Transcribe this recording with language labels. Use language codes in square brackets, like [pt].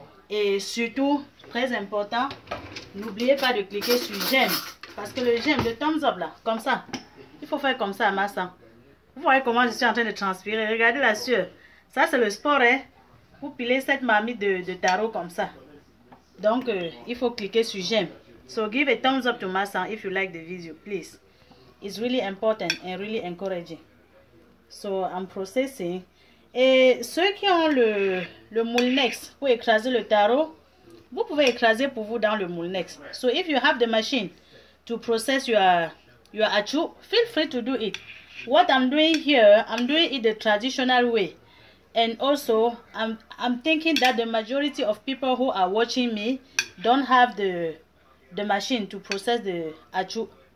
[fr] Et surtout, très important, n'oubliez pas de cliquer sur j'aime. Parce que le j'aime, le thumbs up là, comme ça. Il faut faire comme ça à Masan. Vous voyez comment je suis en train de transpirer. Regardez la sueur. Ça, c'est le sport, hein. Vous pilez cette mamie de tarot comme ça. Donc, il faut cliquer sur j'aime. [en] So, give a thumbs up to my son if you like the video, please. It's really important and really encouraging. So, I'm processing. [fr] Et ceux qui ont le Moulinex pour écraser le tarot, vous pouvez écraser pour vous dans le Moulinex. [en] So, if you have the machine to process your achou, feel free to do it. What I'm doing here, I'm doing it the traditional way. And also, I'm thinking that the majority of people who are watching me don't have the machine to process the achou.